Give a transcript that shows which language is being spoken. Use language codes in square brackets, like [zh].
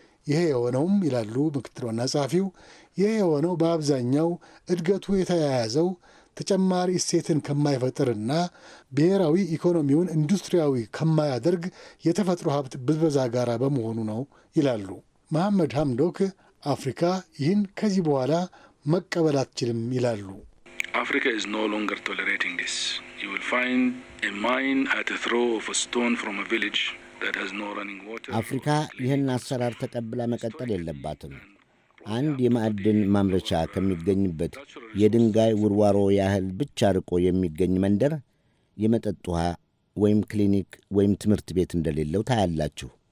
[am] ይሄ የሆነውም ይላሉ ምክትል ዋና ጸሐፊው፣ ይሄ የሆነው በአብዛኛው እድገቱ የተያያዘው ተጨማሪ እሴትን ከማይፈጥርና ብሔራዊ ኢኮኖሚውን ኢንዱስትሪያዊ ከማያደርግ የተፈጥሮ ሀብት ብዝበዛ ጋር በመሆኑ ነው ይላሉ። መሐመድ ሐምዶክ አፍሪካ ይህን ከዚህ በኋላ መቀበል አትችልም ይላሉ። [en] አፍሪካ is no longer tolerating this. You will find a mine at a throw of a stone from a village that has no running water. [am] አፍሪካ ይህን አሰራር ተቀብላ መቀጠል የለባትም። አንድ የማዕድን ማምረቻ ከሚገኝበት የድንጋይ ውርዋሮ ያህል ብቻ ርቆ የሚገኝ መንደር የመጠጥ ውሃ ወይም ክሊኒክ ወይም ትምህርት ቤት እንደሌለው ታያላችሁ።